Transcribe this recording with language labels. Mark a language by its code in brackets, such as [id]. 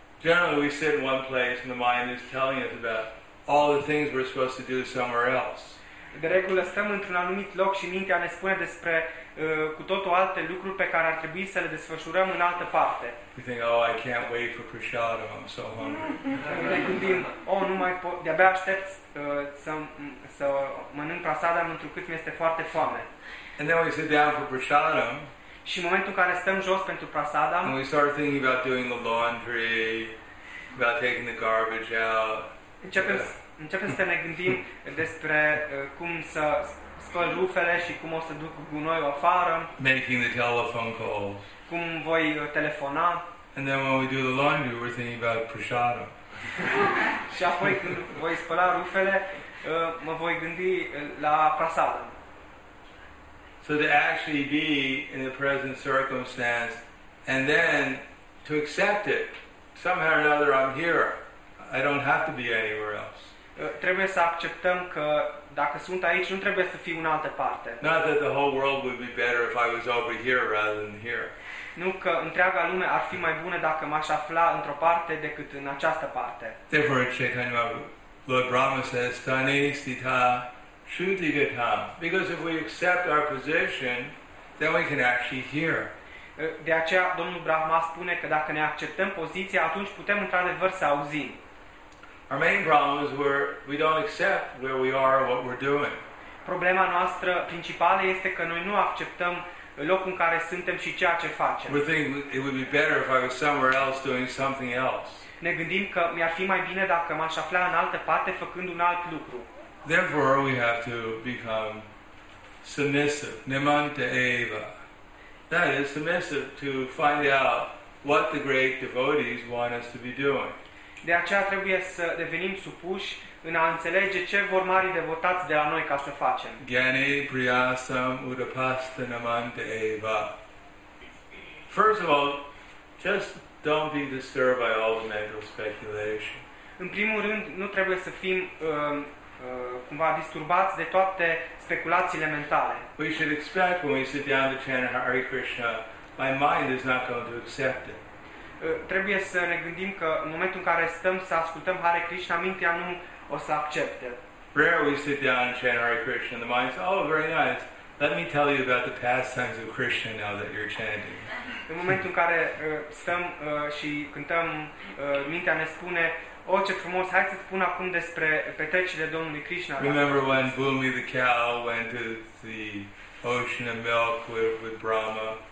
[en] Generally we sit in one place and the mind is telling us about all the things we're supposed to do somewhere else. [ro] De regulă stăm într-un anumit loc și mintea ne spune despre cu totul alte lucruri pe care ar trebui să le desfășurăm în altă parte. [en] We think, oh, I can't wait for prasadam, I'm so hungry. [ro] Ne gândim, oh, nu mai pot, de-abia aștept să mănânc prasadam întrucât mi-este foarte foame. [en] And then we sit down for prasadam. [ro] Și în momentul în care stăm jos pentru prasadam, [en] we start thinking about doing the laundry, about taking the garbage out. [ro] Începem să ne gândim despre cum să spăl rufele și cum o să duc gunoiul afară. [en] Making the telephone calls. [ro] Cum voi telefona. [en] And then when we do the laundry, we're thinking about prasadam. [ro] Și apoi când voi spăla rufele, mă voi gândi la prasadam. [en] So to actually be in the present circumstance and then to accept it. Somehow or another I'm here. I don't have to be anywhere else. [ro] Trebuie să acceptăm că dacă sunt aici, nu trebuie să fiu în altă parte. [en] Not that the whole world would be better if I was over here rather than here. [ro] Nu că întreaga lume ar fi mai bună dacă m-aș afla într-o parte decât în această parte. [en] Therefore, Chaitanya Mahaprabhu, Lord Brahma says, [sa] Tane stita shruti gatam. [en] Because if we accept our position, then we can actually hear. [ro] De aceea, Domnul Brahma spune că dacă ne acceptăm poziția, atunci putem într-adevăr să auzim. [en] Our main problem is where we don't accept where we are or what we're doing. [ro] Problema noastră principală este că noi nu acceptăm locul în care suntem și ceea ce facem. [en] We think it would be better if I was somewhere else doing something else. [ro] Ne gândim că mi-ar fi mai bine dacă m-aș afla în altă parte făcând un alt lucru. [en] Therefore, we have to become submissive. [sa] Nemante eva. [en] That is submissive to find out what the great devotees want us to be doing. [ro] De aceea trebuie să devenim supuși în a înțelege ce vor mari devotați de la noi ca să facem. [sa] Gyane priyasam udapasta namante eva. [en] First of all, just don't be disturbed by all the mental speculation. [ro] În primul rând, nu trebuie să fim cumva disturbați de toate speculațiile mentale. [en] We should expect when we sit down to chant Hare Krishna, my mind is not going to accept it. [ro] Trebuie să ne gândim că în momentul în care stăm să ascultăm Hare Krishna, mintea nu o să accepte. [en] Rare we sit down and chant Hare Krishna, the mind says, oh, very nice, Let me tell you about the pastimes of Krishna now that you're chanting. [ro] În momentul în care stăm și cântăm, mintea ne spune, oh, ce frumos, hai să spun acum despre petrecerile Domnului Krishna. [en] Remember when Bhumi the cow went to the ocean of milk with Brahma?